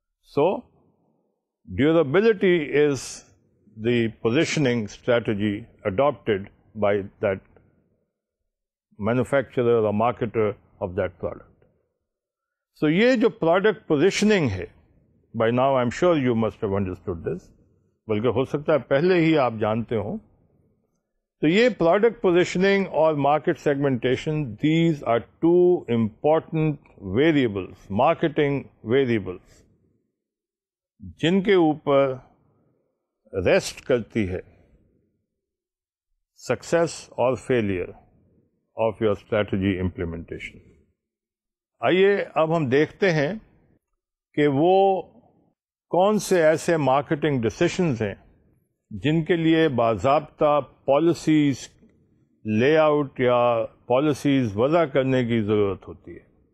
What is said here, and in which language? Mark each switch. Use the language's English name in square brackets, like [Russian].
[English] So durability is the positioning strategy adapted by that manufacturer or marketer of that product. [Urdu] So یہ جو product positioning ہے, [English] by now I'm sure you must have understood this, [Urdu] بلکہ ہو سکتا ہے پہلے ہی آپ جانتے ہوں. [English] تو یہ product positioning اور market segmentation, these are two important variables, marketing variables, [Urdu] جن کے اوپر [English] rest کرتی ہے success or failure of your strategy implementation. [Urdu] آئیے اب ہم دیکھتے ہیں کہ وہ کون سے ایسے مارکیٹنگ ڈسیشنز ہیں جن کے لیے باضابطہ پالیسیز لے آؤٹ یا پالیسیز وضع کرنے کی ضرورت ہوتی ہے.